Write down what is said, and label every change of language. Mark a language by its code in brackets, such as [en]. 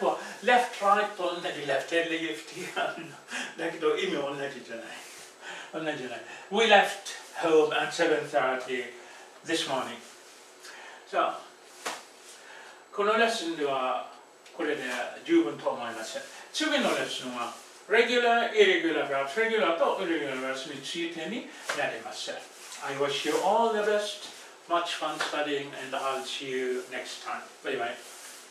[en] Left [ja] は [en] left, right, [ja] 同じ [en] left, left. [ja] だけど意味同じじゃない。同じじゃない。 [en] We left home at 7:30 this morning. [ja] So, このレッスンではこれで十分と思います。次のレッスンは [en] Regular, irregular verbs, regular [ja] と [en] irregular verbs [ja] についてになります。 [en] I wish you all the best, much fun studying, and I'll see you next time. Bye bye.